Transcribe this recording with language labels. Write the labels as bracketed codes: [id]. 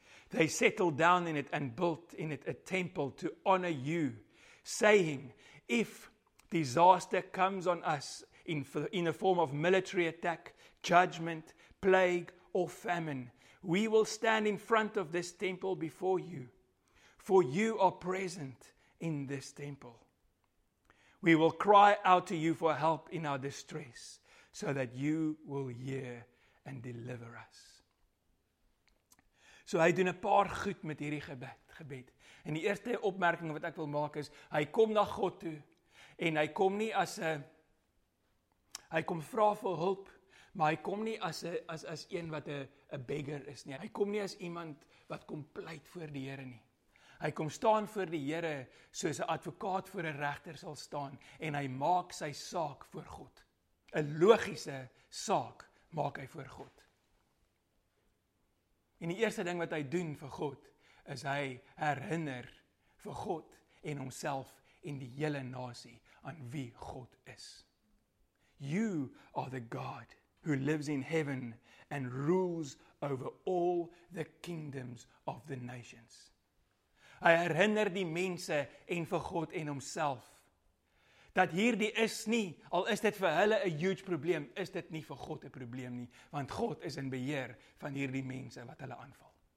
[en] They settled down in it and built in it a temple to honor you, saying, if disaster comes on us in the form of military attack, judgment, plague, or famine, we will stand in front of this temple before you, for you are present in this temple. We will cry out to you for help in our distress, so that you will hear and deliver us. [af] So hy doen 'n paar goed met hierdie gebed. En die eerste opmerking wat ek wil maak is, hy kom na God toe, en hy kom nie as 'n, hy kom vra vir hulp, maar hy kom nie as 'n, as een wat 'n beggar is nie. Hy kom nie as iemand wat kom pleit voor die Here nie. Hy kom staan voor die Here soos 'n advokaat voor 'n regter sal staan, en hy maak sy saak voor God. 'N logiese saak maak hy voor God. En die eerste ding wat hy doen vir God, is hy herinner vir God en homself en die hele nasie aan wie God is. [en] You are the God who lives in heaven and rules over all the kingdoms of the nations. [af] Hy herinner die mense en vir God en homself, dat hierdie is nie, al is dit vir hulle 'n huge probleem, is dit nie vir God 'n probleem nie, want God is in beheer van hierdie mense wat hulle aanval.